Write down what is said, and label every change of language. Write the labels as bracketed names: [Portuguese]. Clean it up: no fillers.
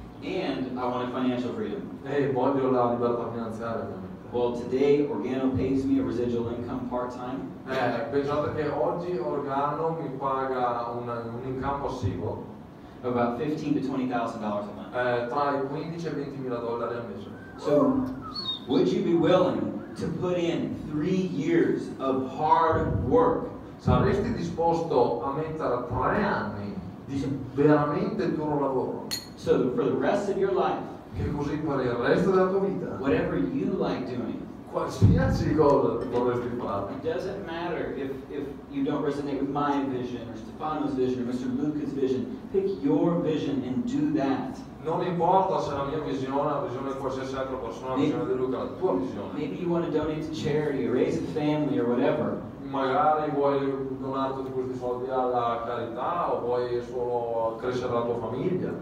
[English] And I want a financial freedom. [Italian] Hey, voglio la libertà finanziaria ovviamente. [English] Well, today Organo pays me a residual income part-time. [Italian] Pensate che oggi Organo mi paga un income passivo. [English] About $15,000 to $20,000 a month. So, would you be willing to put in 3 years of hard work? [Italian] Saresti disposto a mettere 3 anni di veramente duro lavoro? [English] So, for the rest of your life, [Italian] che così per il resto della tua vita, [English] whatever you like doing, [Italian] qualsiasi cosa vorresti fare. [English] It doesn't matter if you don't resonate with my vision, or Stefano's vision, or Mr. Luca's vision. Pick your vision and do that. [Italian] Non importa se la mia visione, la visione di qualsiasi altra persona, la visione di Luca, la tua visione. [English] Maybe you want to donate to charity, or raise a family, or whatever. [Italian] Magari vuoi donare tutti questi soldi alla carità, o vuoi solo crescere la tua famiglia.